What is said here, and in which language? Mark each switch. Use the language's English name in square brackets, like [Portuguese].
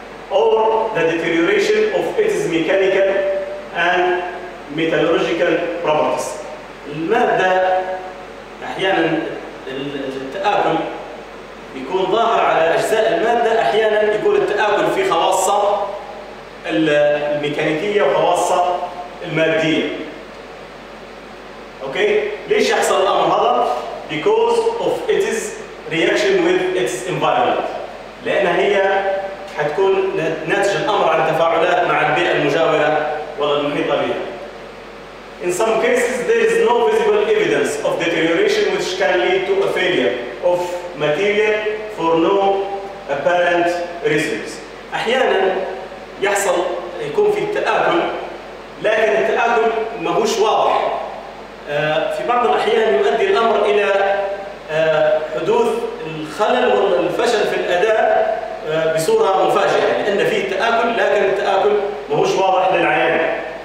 [English] or the deterioration of its mechanical and metallurgical properties، [Arabic] المادة أحيانا التآكل يكون ظاهر على أجزاء المادة، أحيانا يكون التآكل في خواصها الميكانيكية وخواصها المادية. أوكي؟ ليش يحصل الأمر هذا؟ [English] because of its reaction with its environment، [Arabic] لأنها هي حتكون ناتج الأمر عن تفاعلات مع البيئة المجاورة ولا المحيطة بها. [English] in some cases there is no visible evidence of deterioration which can lead to a failure of material for no apparent reasons. [Arabic] أحيانا يحصل يكون في التآكل لكن التآكل ما هوش واضح. في بعض الأحيان يؤدي الأمر إلى حدوث الخلل والفشل في الأداء بصورة مفاجئة، لأن في التآكل لكن التآكل ما هوش واضح للعيان.